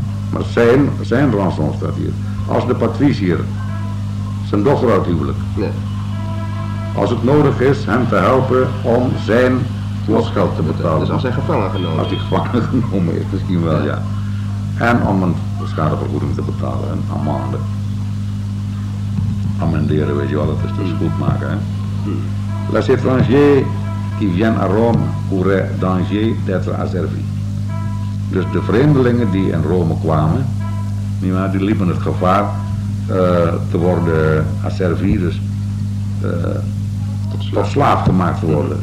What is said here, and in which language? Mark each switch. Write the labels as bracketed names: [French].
[Dutch] Maar zijn ranson staat hier. Als de patricier zijn dochter uithuwelijk. Nee. Als het nodig is hem te helpen om zijn losgeld te betalen. Dus als hij gevangen genomen is. Als hij gevangen genomen is, misschien wel, ja. En om een schadevergoeding te betalen, een amende. Amenderen, weet je wel, dat is dus goed maken, hè. [French] Les étrangers qui viennent à Rome auraient danger d'être asservis. [Dutch] Dus de vreemdelingen die in Rome kwamen, die liepen het gevaar te worden asservis, dus tot slaaf gemaakt te worden.